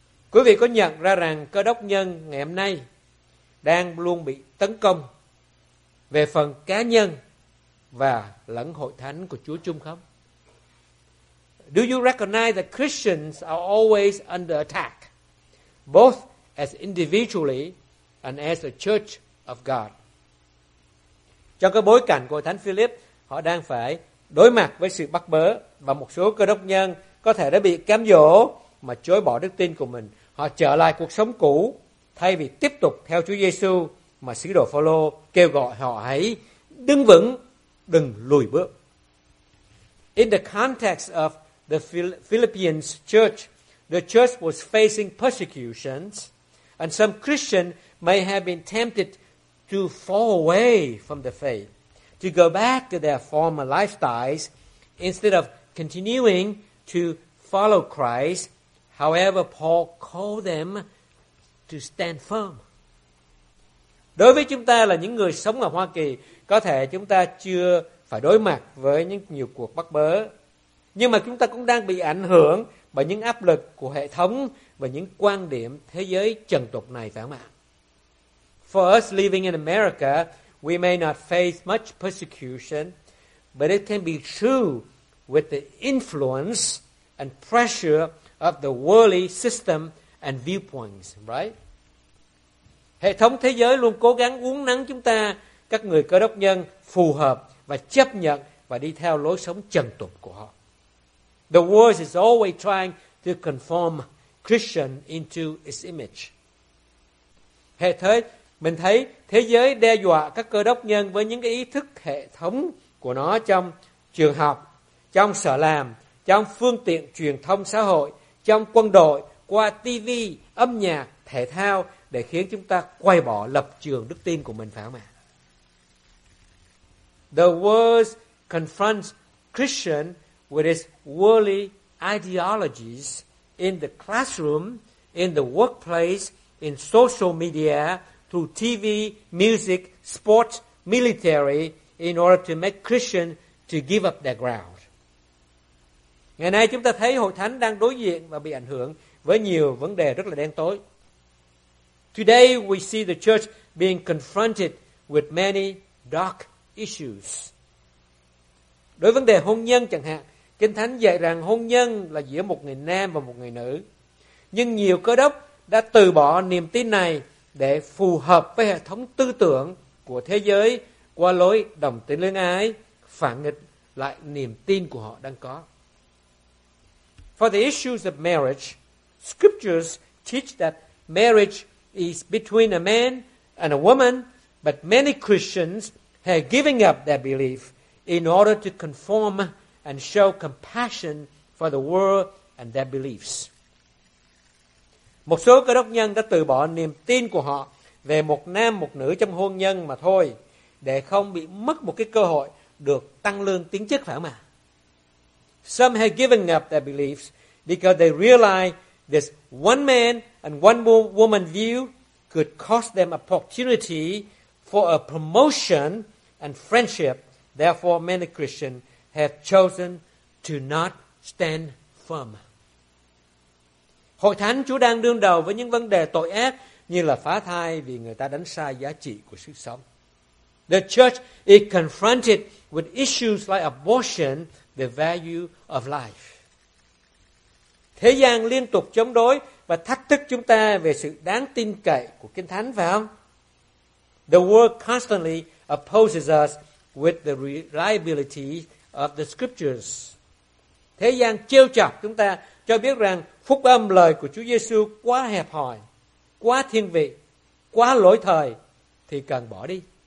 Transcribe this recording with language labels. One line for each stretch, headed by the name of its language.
Vietnamese: Quý vị có nhận ra rằng Cơ Đốc nhân ngày hôm nay đang luôn bị tấn công về phần cá nhân và lẫn hội thánh của Chúa chung không?
English: Do you recognize that Christians are always under attack, both as individually and as a church of God?
Vietnamese: Trong cái bối cảnh của Thánh Philip, họ đang phải đối mặt với sự bắt bớ và một số Cơ Đốc nhân có thể đã bị cám dỗ mà chối bỏ đức tin của mình. Họ trở lại cuộc sống cũ thay vì tiếp tục theo Chúa Giêsu mà sứ đồ Phaolô kêu gọi họ hãy đứng vững, đừng lùi bước.
English: In the context of the Philippians church, the church was facing persecutions and some Christians may have been tempted to fall away from the faith, to go back to their former lifestyles instead of continuing to follow Christ. However, Paul called them to stand firm.
Vietnamese: Đối với chúng ta là những người sống ở Hoa Kỳ, có thể chúng ta chưa phải đối mặt với những nhiều cuộc bắt bớ, nhưng mà chúng ta cũng đang bị ảnh hưởng bởi những áp lực của hệ thống và những quan điểm thế giới trần tục này, phải không ạ?
English: For us living in America, we may not face much persecution, but it can be true with the influence and pressure of the worldly system and viewpoints, right?
Vietnamese: Hệ thống thế giới luôn cố gắng uốn nắn chúng ta, các người Cơ Đốc nhân, phù hợp và chấp nhận và đi theo lối sống trần tục của họ.
English: The world is always trying to conform Christian into its image.
Vietnamese: Mình thấy thế giới đe dọa các Cơ Đốc nhân với những cái ý thức hệ thống của nó trong trường học, trong sở làm, trong phương tiện truyền thông xã hội, trong quân đội, qua TV, âm nhạc, thể thao để khiến chúng ta quay bỏ lập trường đức tin của mình, phải không ạ?
English: The world confronts Christian with its worldly ideologies in the classroom, in the workplace, in social media, through TV, music, sports, military, in order to make Christian to give up their ground.
Vietnamese: Ngày nay chúng ta thấy hội thánh đang đối diện và bị ảnh hưởng với nhiều vấn đề rất là đen tối.
English: Today we see the church being confronted with many dark issues.
Vietnamese: Đối vấn đề hôn nhân chẳng hạn, Kinh Thánh dạy rằng hôn nhân là giữa một người nam và một người nữ. Nhưng nhiều Cơ Đốc đã từ bỏ niềm tin này để phù hợp với hệ thống tư tưởng của thế giới qua lối đồng tính luyến ái, phản nghịch lại niềm tin của họ đang có.
English: For the issues of marriage, scriptures teach that marriage is between a man and a woman, but many Christians have given up their belief in order to conform and show compassion for the world and their beliefs.
Vietnamese: Một số Cơ Đốc nhân đã từ bỏ niềm tin của họ về một nam một nữ trong hôn nhân mà thôi, để không bị mất một cái cơ hội được tăng lương tiến chức, phải không ạ?
English: Some have given up their beliefs because they realize this one man and one woman view could cost them opportunity for a promotion and friendship. Therefore, many Christians have chosen to not stand firm.
Vietnamese: Hội thánh Chúa đang đương đầu với những vấn đề tội ác như là phá thai vì người ta đánh sai giá trị của sự sống.
English: The church is confronted with issues like abortion, the value of life.
Vietnamese: Thế gian liên tục chống đối và thách thức chúng ta về sự đáng tin cậy của Kinh Thánh, phải không?
English: The world constantly opposes us with the reliability of the scriptures.
Vietnamese: Thế gian trêu chọc chúng ta, cho biết rằng phúc âm lời của Chúa Giêsu quá hẹp hòi, quá thiên vị, quá lỗi thời thì cần bỏ đi.